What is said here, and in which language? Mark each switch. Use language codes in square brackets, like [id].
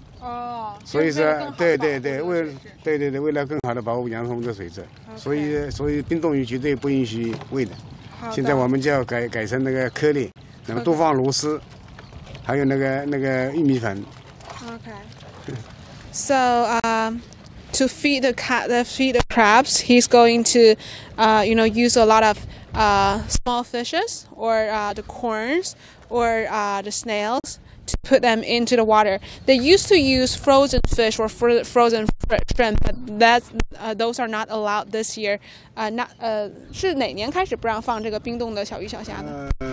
[zh] 哦。所以说，对对对，为了更好的保护阳澄湖的水质， [en] okay. [zh] 所以冰冻鱼绝对不允许喂的。好。现在我们就要改成那个颗粒，那么多放螺丝，还有那个玉米粉。 [en] Okay. So, to feed the cat, feed the crabs, he's going to, you know, use a lot of. Small fishes or the corns or the snails to put them into the water. They used to use frozen fish or frozen shrimp, but those are not allowed this year. [zh] 是哪年开始不让放这个冰冻的小鱼小虾呢？